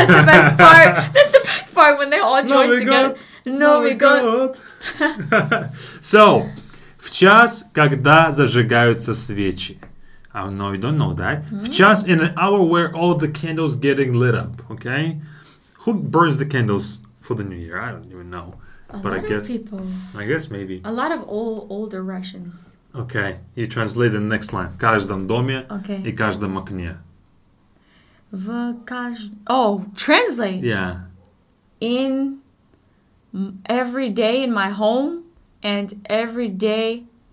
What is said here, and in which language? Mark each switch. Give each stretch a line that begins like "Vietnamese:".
English: That's the best part when they all join together.
Russian: Новый год. So, в час, когда зажигаются свечи.
English: I don't know, you don't know that. Mm-hmm. В час, in an hour where all the candles getting lit up, okay? Who burns the candles for the new year? I don't even know. A lot of people. I guess maybe. A lot of older Russians. Okay, you translate the next line.
Russian: В каждом доме и каждом окне.
English: Translate. Yeah. In every day in my home and every day...